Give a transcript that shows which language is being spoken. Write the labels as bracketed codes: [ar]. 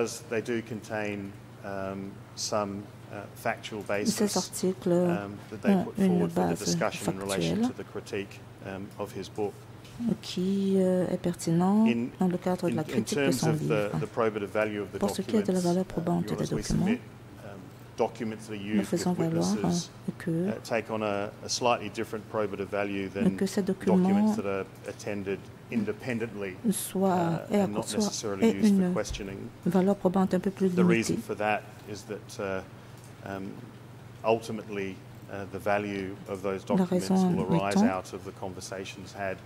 [en] They do contain some factual basis that they put forward for the discussion in relation to the critique of his book. [fr] Qui est pertinent dans le cadre de la critique de son livre. [en] The probative value of the [fr] pour ce qui est de la valeur probante des documents, [en] documents that are used with witnesses take on a slightly different probative value than documents that are attended independently and not necessarily used for questioning. [fr] Valeur probante un peu plus limitée. [en] The reason for that is that ultimately, the value of those documents will arise out of the conversations had